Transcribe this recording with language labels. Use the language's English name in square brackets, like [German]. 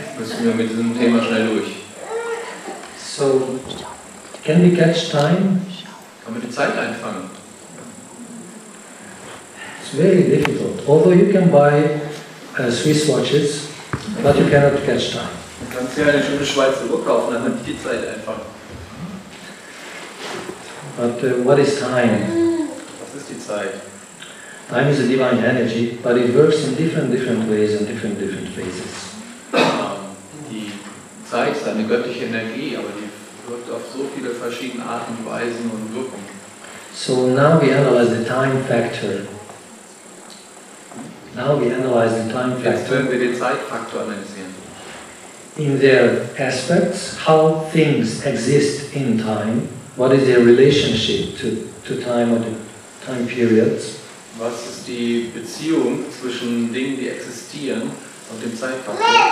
[German] Müssen wir mit diesem Thema schnell durch. [English] So, can we catch time? [German] Kann man die Zeit einfangen? [English] It's very difficult. Although you can buy Swiss watches, but you cannot catch time. [German] Du kannst ja eine schöne Schweizer Uhr kaufen, dann kann ich die Zeit einfangen. [English] But what is time? [German] Was ist die Zeit? [English] Time is a divine energy, but it works in different ways and different phases. [German] Die Zeit ist eine göttliche Energie, aber die wirkt auf so viele verschiedene Arten, Weisen und Wirkungen. [English] So now we analyze the time factor. Now we analyze the time factor. [German] Jetzt werden wir den Zeitfaktor analysieren. [English] In their aspects, how things exist in time, what is their relationship to time or the time periods. [German] Was ist die Beziehung zwischen Dingen, die existieren, und dem Zeitfaktor?